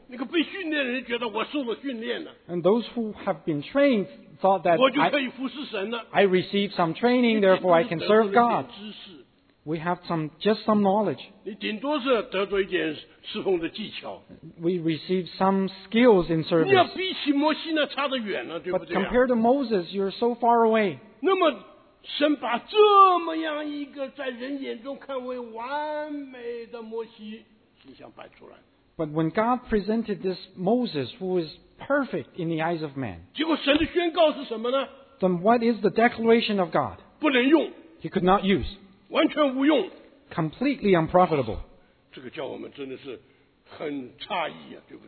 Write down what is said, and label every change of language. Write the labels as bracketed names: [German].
[Chinese] 那个被训练的人觉得我受了训练了, [English] and those who have been trained thought that I received some training, therefore I can serve God. We have just some knowledge. We receive some skills in service. But compared to Moses, you're so far away. [Chinese] 那么神把这么样一个在人眼中看为完美的摩西形象摆出来, [English] but when God presented this Moses, who is perfect in the eyes of man, [Chinese] 结果神的宣告是什么呢? [English] Then what is the declaration of God? [Chinese] 不能用, [English] he could not use. [Chinese] 完全无用, [English] completely unprofitable. [Chinese] 这个叫我们真的是很诧异啊,